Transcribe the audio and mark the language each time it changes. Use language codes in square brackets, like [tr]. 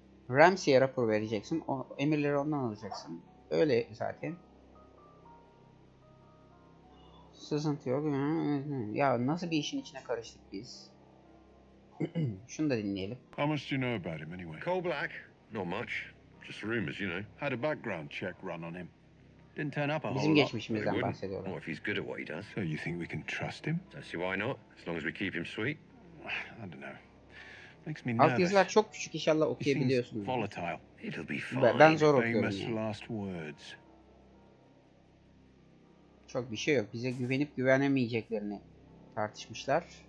[tr] Ramsey'e rapor vereceksin. O emirleri ondan alacaksın. Öyle zaten. Sızıntı yok. Ya nasıl bir işin içine karıştık biz? Şunu da dinleyelim. [en] How much do you know about him anyway? Cole Black. Not much. Just rumors, you know. Had a background check run on him. Didn't turn up a whole lot. [tr] Bizim geçmişimizden bahsediyorlar. [en] Well, if he's good at what he does. So you think we can trust him? I see why not. As long as we keep him sweet. I don't know. Makes me nervous. [tr] Altyazılar çok küçük, inşallah okuyabiliyorsunuz. [en] It's volatile. It'll be fine. [tr] Ben zor okuyorum. [en] Famous last words. [tr] Çok bir şey yok. Bize güvenip güvenemeyeceklerini tartışmışlar.